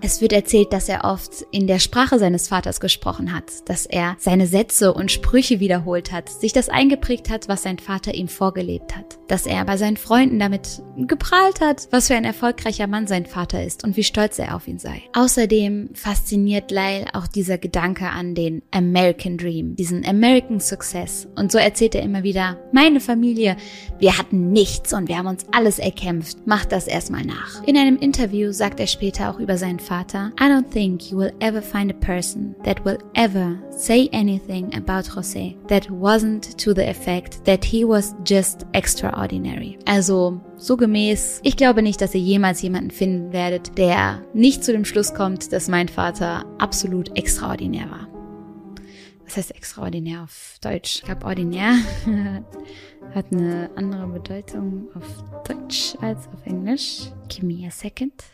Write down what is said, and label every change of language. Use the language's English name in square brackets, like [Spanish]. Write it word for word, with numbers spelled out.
[German] Es wird erzählt, dass er oft in der Sprache seines Vaters gesprochen hat, dass er seine Sätze und Sprüche wiederholt hat, sich das eingeprägt hat, was sein Vater ihm vorgelebt hat, dass er bei seinen Freunden damit geprahlt hat, was für ein erfolgreicher Mann sein Vater ist und wie stolz er auf ihn sei. Außerdem fasziniert Lyle auch dieser Gedanke an den American Dream, diesen American Success. Und so erzählt er immer wieder, meine Familie, wir hatten nichts und wir haben uns alles erkämpft. Mach das erstmal nach. In einem Interview sagt er später auch über seinen Vater, [English] I don't think you will ever find a person that will ever say anything about José that wasn't to the effect that he was just extraordinary. [German] Also so gemäß, ich glaube nicht, dass ihr jemals jemanden finden werdet, der nicht zu dem Schluss kommt, dass mein Vater absolut extraordinär war. Was heißt extraordinär auf Deutsch? Ich glaube, ordinär hat eine andere Bedeutung auf Deutsch als auf Englisch. [English] Give me a second.